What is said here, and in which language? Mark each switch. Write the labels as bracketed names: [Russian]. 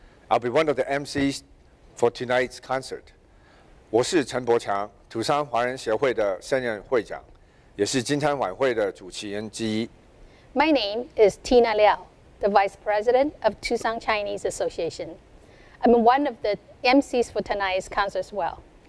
[English] I'll be one of the MCs for tonight's concert. [Chinese] 我是陈伯强，土商华人协会的现任会长，也是今天晚会的主持人之一。 [English] My name is Tina Liao, the vice president of Tucson Chinese Association. I'm one of the MCs for tonight's concert as well.